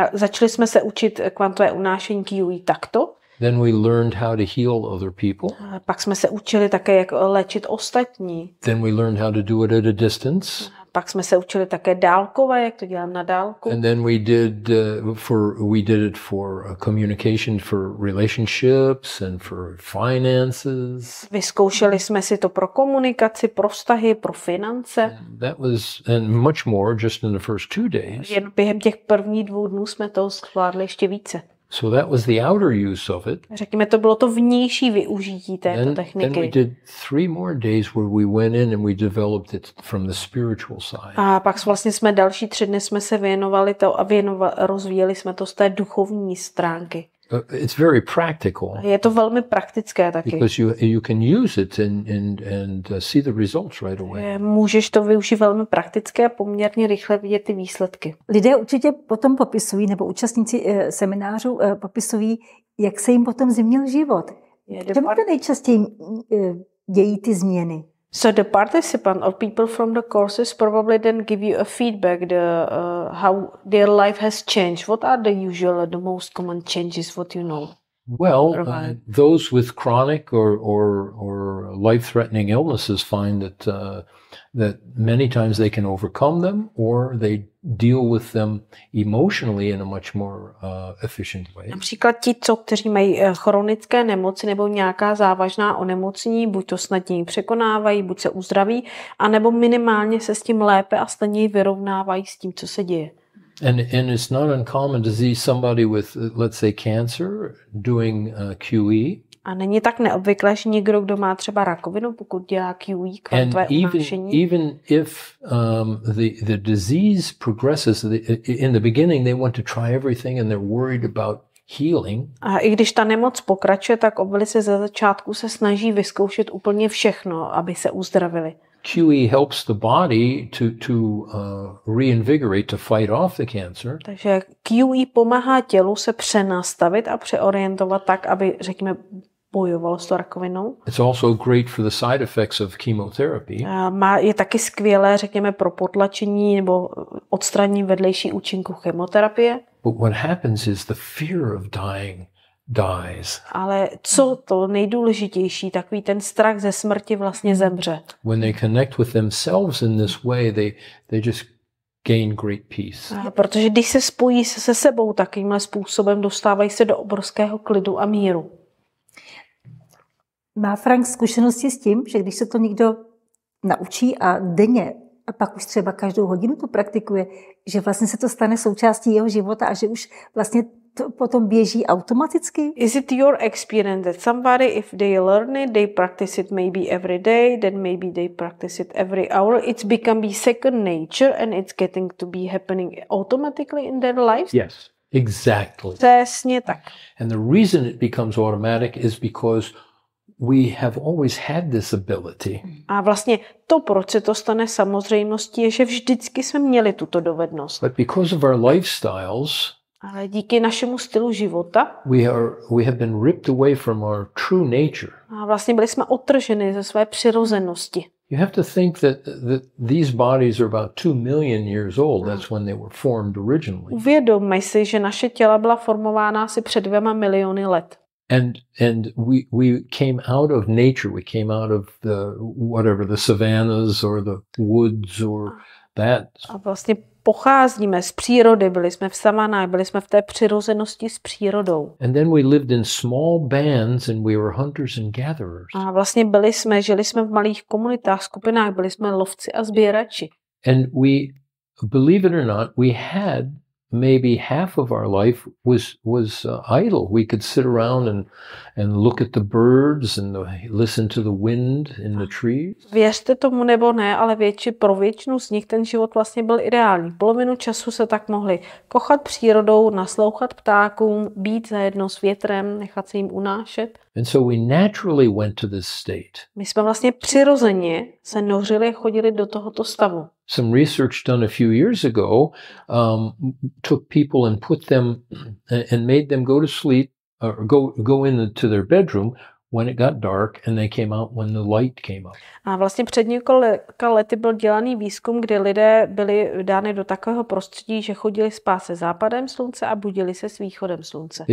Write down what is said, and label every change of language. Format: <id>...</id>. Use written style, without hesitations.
<cs>Začali jsme se učit kvantové unášení QE takto.</cs> <en>Then we learned how to heal other people.</en> <cs>Pak jsme se učili také, jak léčit ostatní.</cs> <en>Then we learned how to do it at a distance.</en> <cs>Pak jsme se učili také dálkové, jak to dělám na dálku.</cs> <en>And then we did it for communication, for relationships and for finances.</en> <cs>Vyzkoušeli jsme si to pro komunikaci, pro vztahy, pro finance.</cs> <en>And that was and much more just in the first two days.</en> <cs>Jen během těch prvních dvou dnů jsme to zvládli ještě více.</cs> <en>So that was the outer use of it.</en> <cs>Řekněme, to bylo to vnější využití této techniky.</cs> <en>Then we did three more days where we went in and we developed it from the spiritual side.</en> <cs>A pak vlastně jsme další tři dny jsme se věnovali to a rozvíjeli jsme to z té duchovní stránky.</cs> <en>It's very practical.</en> <cs>Je to velmi praktické taky.</cs> <en>Because you can use it and see the results right away.</en> <cs>Můžeš to využít velmi prakticky a poměrně rychle vidět ty výsledky. Lidé určitě potom popisují, nebo účastníci seminářů popisují, jak se jim potom změnil život. Čemu to nejčastěji dějí ty změny?</cs> <en>So the participant or people from the courses probably then give you a feedback the how their life has changed. What are the usual or the most common changes? What you know? Well, those with chronic or life-threatening illnesses find that that many times they can overcome them or they deal with them emotionally in a much more efficient way.</en> <cs>Například ti, kteří mají chronické nemoci nebo nějaká závažná onemocnění, buď to snadněji překonávají, buď se uzdraví, anebo minimálně se s tím lépe a snadněji vyrovnávají s tím, co se děje.</cs> <en>And it's not uncommon to see somebody with, let's say, cancer doing QE.</en> <cs>A není tak neobvyklé, že někdo, kdo má třeba rakovinu, pokud dělá QE, kvantové unášení.</cs> <en>Even if the disease progresses, in the beginning they want to try everything and they're worried about healing.</en> <cs>A i když ta nemoc pokračuje, tak obvykle ze začátku se snaží vyzkoušet úplně všechno, aby se uzdravili.</cs> <en>QE helps the body to reinvigorate, to fight off the cancer.</en> <cs>Takže QE pomáhá tělu se přenastavit a přeorientovat tak, aby, řekněme, bojovalo s tou rakovinou.</cs> <en>It's also great for the side effects of chemotherapy.</en> <cs>Je taky skvělé, řekněme, pro potlačení nebo odstranění vedlejší účinku chemoterapie.</cs> <en>But what happens is the fear of dying dies.</en> <cs>Ale co to nejdůležitější, takový ten strach ze smrti vlastně zemře.</cs> <en>When they connect with themselves in this way, they just gain great peace.</en> <cs>Protože když se spojí se sebou takýmhle způsobem, dostávají se do obrovského klidu a míru. Má Frank zkušenosti s tím, že když se to někdo naučí a denně a pak už třeba každou hodinu to praktikuje, že vlastně se to stane součástí jeho života a že už vlastně to potom běží automaticky?</cs> <en>Is it your experience that somebody, if they learn it, they practice it maybe every day, then maybe they practice it every hour, it's become second nature and it's getting to be happening automatically in their lives? Yes, exactly.</en> <cs>Přesně tak.</cs> <en>And the reason it becomes automatic is because we have always had this ability.</en> <cs>A vlastně to, proč se to stane samozřejmostí, je, že vždycky jsme měli tuto dovednost.</cs> <en>But because of our lifestyles,</en> <cs>ale díky našemu stylu života,</cs> <en>we have been ripped away from our true nature.</en> <cs>A vlastně byli jsme odtrženi ze své přirozenosti.</cs> <en>You have to think that these bodies are about 2 million years old. That's when they were formed originally.</en> <cs>Uvědomme si, že naše těla byla formována asi před 2 miliony let.</cs> <en>And we came out of nature, we came out of the whatever, the savannas or the woods or that.</en> <cs>A vlastně pocházíme z přírody, byli jsme v savanách, byli jsme v té přirozenosti s přírodou.</cs> <en>And then we lived in small bands and we were hunters and gatherers.</en> <cs>A vlastně žili jsme v malých komunitách, skupinách, byli jsme lovci a sběrači.</cs> <en>And we, believe it or not, we had maybe half of our life was idle. We could sit around and look at the birds and listen to the wind in the trees.</en> <cs>Věřte tomu nebo ne, ale pro většinu z nich ten život vlastně byl ideální. Polovinu času se tak mohli kochat přírodou, naslouchat ptákům, být zajedno s větrem, nechat se jim unášet.</cs> <en>And so we naturally went to this state.</en> <cs>My jsme vlastně přirozeně se nořili a chodili do tohoto stavu.</cs> <en>Some research done a few years ago took people and put them and made them go to sleep or go into their bedroom when it got dark and they came out when the light came up.</en> <cs>A vlastně před několika lety byl dělaný výzkum, kde lidé byli dány do takového prostředí, že chodili spát se západem slunce a budili se s východem slunce.</cs>